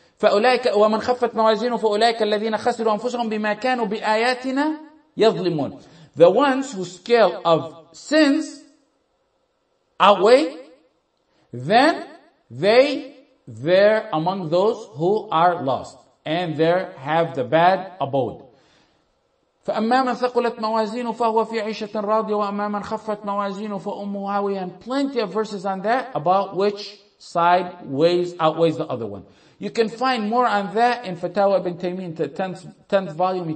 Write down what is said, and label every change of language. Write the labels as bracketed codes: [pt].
[ar] فأولئك ومن خفت موازينه فأولئك الذين خسروا أنفسهم بما كانوا بآياتنا يظلمون. [en] The ones whose scale of sins outweigh, then they're among those who are lost and there have the bad abode. [ar] فأما من ثقلت موازينه فهو في عيشة راضية وأما من خفت موازينه فأمه هاوية. [en] And plenty of verses on that about which side outweighs the other one. You can find more on that in Fatawa Ibn Taymiyyah, the 10th volume.